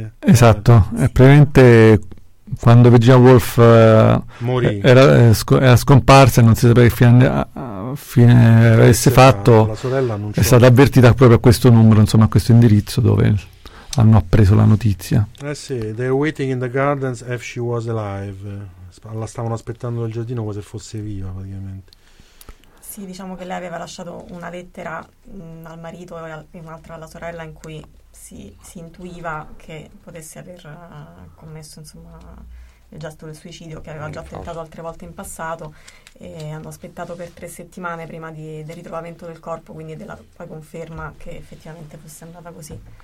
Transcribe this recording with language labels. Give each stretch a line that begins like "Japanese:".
Italian: Esatto, è praticamente quando Virginia Woolf morì. Era scomparsa e non si sapeva che fine avesse fatto. La sorella annunciò. È stata avvertita proprio a questo numero, insomma, a questo indirizzo dove hanno appreso la notizia. Eh sì,
English: they're waiting in the gardens if she was alive.
Italian: La stavano aspettando nel giardino come se fosse viva, praticamente. Sì, diciamo che lei aveva lasciato una lettera al marito e un'altra alla sorella in cui si intuiva che potesse aver commesso, insomma, il gesto del suicidio, che aveva già tentato altre volte in passato, e hanno aspettato per 3 settimane prima del ritrovamento del corpo, quindi della poi conferma che effettivamente fosse andata così.